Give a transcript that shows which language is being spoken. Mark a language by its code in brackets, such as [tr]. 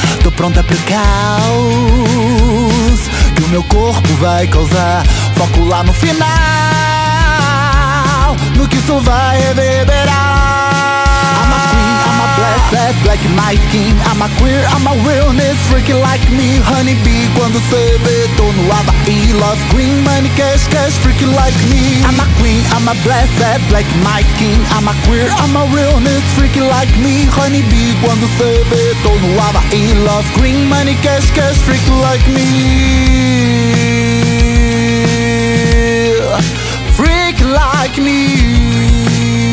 [pt] Tô pronta pro caos que o meu corpo vai causar. Foco lá no final, no que isso vai reverberar. [en] I'm a queen, I'm a blessed, black my skin. I'm a queer, I'm a realness, freaking like me. Honey bee, [pt] quando cê vê, tô no Havaí. [en] Love green, money cash, cash, freaking like me. I'm a queen, I'm a blessed, black my skin. I'm a queer, I'm a realness, freaking like me. Honey bee, [pt] quando cê vê, tô no Havaí. [en] Love green, money cash, cash, freaking like me. Freak like me.